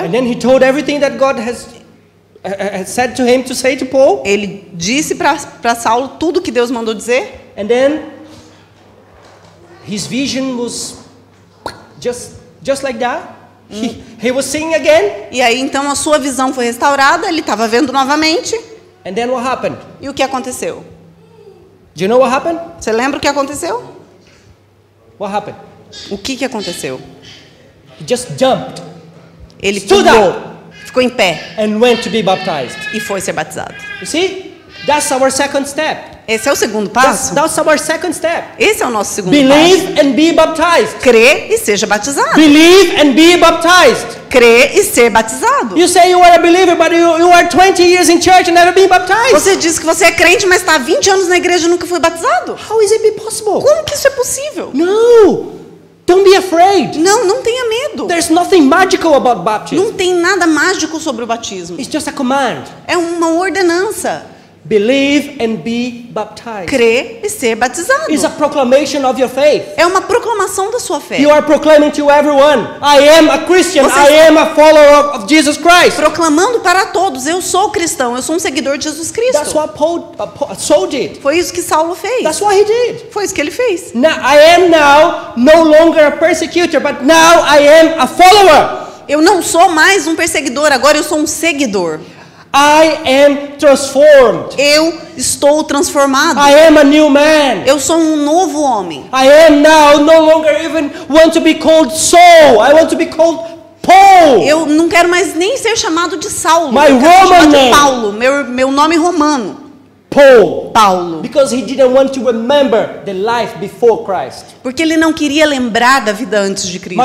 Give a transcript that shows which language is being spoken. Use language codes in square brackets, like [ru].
[en] And then he told everything that God has said to him to say to Paul. [pt] Ele disse para Saulo tudo que Deus mandou dizer. [en] And then his vision was just like that. He was seeing again. [pt] E aí então a sua visão foi restaurada, ele estava vendo novamente. [en] And then what happened? [pt] E o que aconteceu? [en] Do you know what happened? [pt] Você lembra o que aconteceu? [en] What happened? [pt] O que que aconteceu? [en] He just jumped. [pt] Ele pulou. Ficou em pé. [en] And went to be baptized. [pt] E foi ser batizado. [en] You see? That's our second step. [pt] Esse é o segundo passo. [en] That's our second step. [pt] Esse é o nosso segundo [en] Believe [pt] passo. [en] And be baptized. [pt] Crê e seja batizado. [en] Believe and be baptized. [pt] Crê e ser batizado. [en] You say you are a believer, but you are 20 years in church and never been baptized. [pt] Você diz que você é crente, mas está 20 anos na igreja e nunca foi batizado. [en] How is it possible? [pt] Como que isso é possível? [en] No. Don't be afraid. [pt] Não, não tenha medo. [en] There's nothing magical about baptism. [pt] Não tem nada mágico sobre o batismo. [en] It's just a command. [pt] É uma ordenança. [en] Believe and be baptized. [pt] Crê e ser batizado. [en] It's a proclamation of your faith. [pt] É uma proclamação da sua fé. [en] You are proclaiming to everyone, I am a Christian. [pt] Você [en] I am a follower of Jesus Christ. [pt] Proclamando para todos, eu sou cristão, eu sou um seguidor de Jesus Cristo. [en] That's what Saul did. [pt] Foi isso que Saulo fez. [en] That's what he did. [pt] Foi isso que ele fez. [en] Now, I am now no longer a persecutor, but now I am a follower. [pt] Eu não sou mais um perseguidor, agora eu sou um seguidor. [en] I am transformed. [pt] Eu estou transformado. [en] I am a new man. [pt] Eu sou um novo homem. [en] I am now no longer even want to be called Saul. I want to be called Paul. [pt] Eu não quero mais nem ser chamado de Saulo. [en] My Roman name. [pt] Paulo, meu nome romano. [en] Paul. [pt] Paulo. [en] Because he didn't want to remember the life before Christ. [pt] Porque ele não queria lembrar da vida antes de Cristo.